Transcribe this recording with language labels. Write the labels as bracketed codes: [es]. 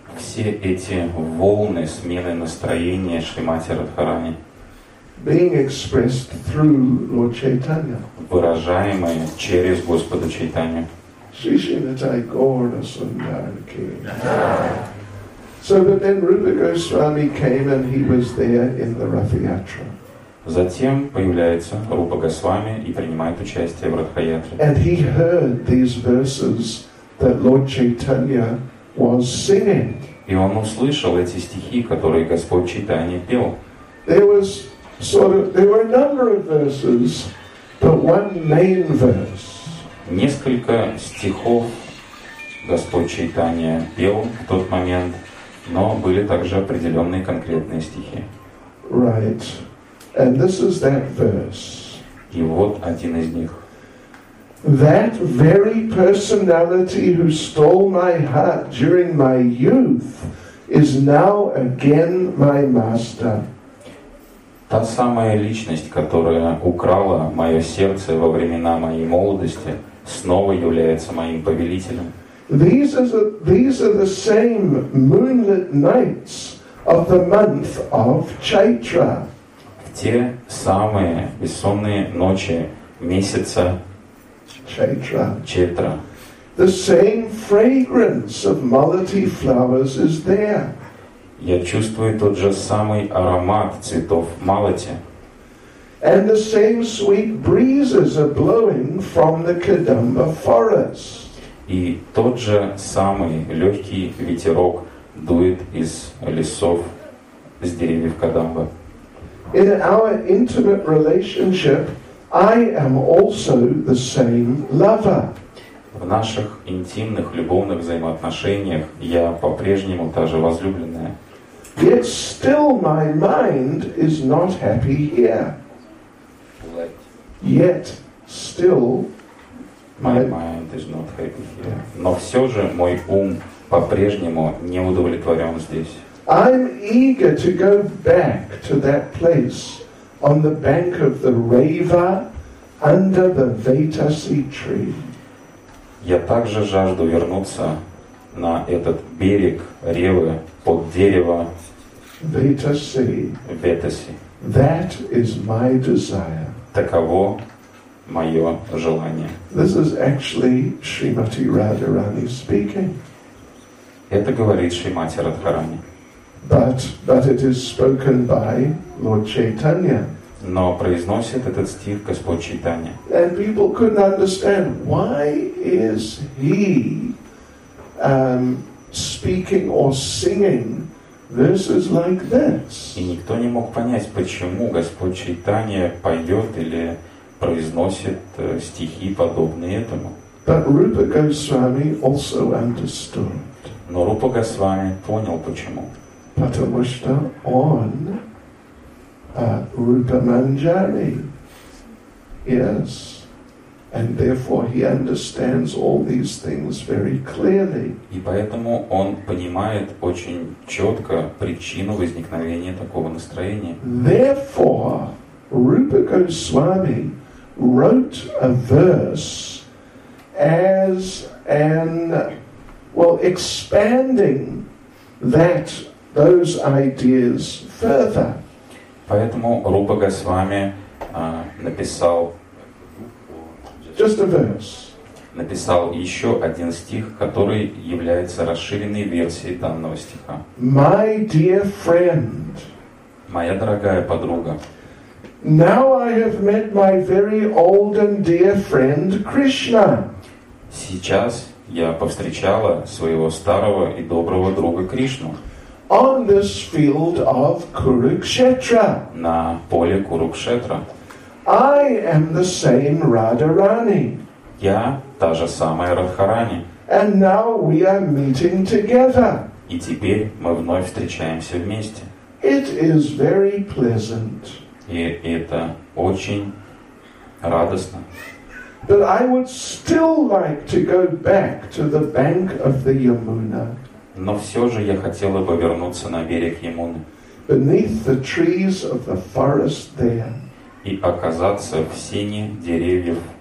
[ru] Все эти волны смены настроения Шримати Радхарани, [en] being expressed through Lord Chaitanya, [ru] выражаемые через Господа Чайтанью. Sri Srinathai Gaura Sundara Ki. [en] So, but then Rupa Goswami came and he was there in the Ratha Yatra. [ru] Затем появляется Рупа Госвами и принимает участие в Ратха-Ятре. [en] And he heard these verses that Lord Chaitanya was singing. [ru] И он услышал эти стихи, которые Господь Чайтанья пел. [en] There was sort of, there were a number of verses, but one main verse. [ru] Несколько стихов Господь Чайтанья пел в тот момент, но были также определенные конкретные стихи. [en] Right. And this is that verse. [ru] И вот один из них. [en] That very personality who stole my heart during my youth is now again my master. [ru] Та самая личность, которая украла мое сердце во времена моей молодости, снова является моим повелителем. [en] These are the same moonlit nights of the month of Chaitra. [ru] Те самые бессонные ночи месяца Чайтра. [en] The same fragrance of Malati flowers is there. [ru] Я чувствую тот же самый аромат цветов Малати. [en] And the same sweet breezes are blowing from the Kadamba forest. [ru] И тот же самый легкий ветерок дует из лесов, с деревьев Кадамба. [en] In our intimate relationship, I am also the same lover. [ru] В наших интимных любовных взаимоотношениях я по-прежнему та же возлюбленная. [en] Yet still my mind is not happy here. Yet still my mind is not happy here. [ru] Но все же мой ум по-прежнему не удовлетворен здесь. [en] I'm eager to go back to that place on the bank of the Rava under the Vetasi tree. [ru] Я также жажду вернуться на этот берег Ревы под дерево [en] Vetasi. That is my desire. [ru] Таково мое желание. [en] This is actually Srimati Radharani speaking. [ru] Это говорит Шримати Радхарани. [en] But it is spoken by Lord Chaitanya. [ru] Но произносит этот стих Господь Чайтанья. [en] And people couldn't understand why is he speaking or singing verses like this. [ru] И никто не мог понять, почему Господь Чайтанья поет или произносит стихи подобные этому. [en] But Rupa Goswami also understood. [ru] Но Рупа Госвами понял почему. [en] Patamushta on Rupa Manjari. Yes. And therefore he understands all these things very clearly. [ru] И поэтому он понимает очень четко причину возникновения такого настроения. [en] Therefore, Rupa Goswami wrote a verse as an expanding that those ideas further. [ru] Поэтому Рупа Госвами написал [en] just a verse. [ru] Написал еще один стих, который является расширенной версией данного стиха. [en] My dear friend. [ru] Моя дорогая подруга. [en] Now I have met my very old and dear friend Krishna. [ru] Сейчас я повстречала своего старого и доброго друга Кришну. [en] On this field of Kurukshetra. [ru] На поле Курукшетра. [en] I am the same Radharani. [ru] Я та же самая Радхарани. [en] And now we are meeting together. [ru] И теперь мы вновь встречаемся вместе. [en] It is very pleasant. [ru] И это очень радостно. [en] But I would still like to go back to the bank of the Yamuna. [ru] Но все же я хотела бы вернуться на берег Ямуны. [en] Beneath the trees of the forest there. [ru] И оказаться в сене деревьев.